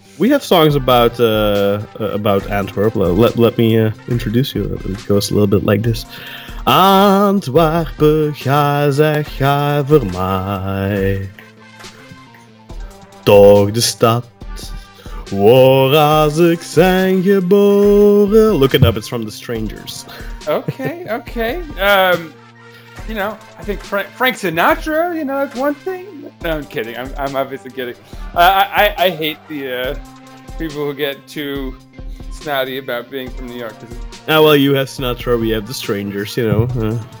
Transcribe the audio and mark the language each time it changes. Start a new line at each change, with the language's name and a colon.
English: We have songs about Antwerp. Let me introduce you. It goes a little bit like this: Antwerpen,
Dutch: ga zeg, ga voor mij. Toch de stad waar als ik zijn geboren.
English: Look it up. It's from The Strangers. Okay. You know, I think Frank Sinatra, you know, is one thing. No, I'm kidding. I'm obviously kidding. I hate the people who get too snotty about being from New York. You have Sinatra, we have The Strangers, you know.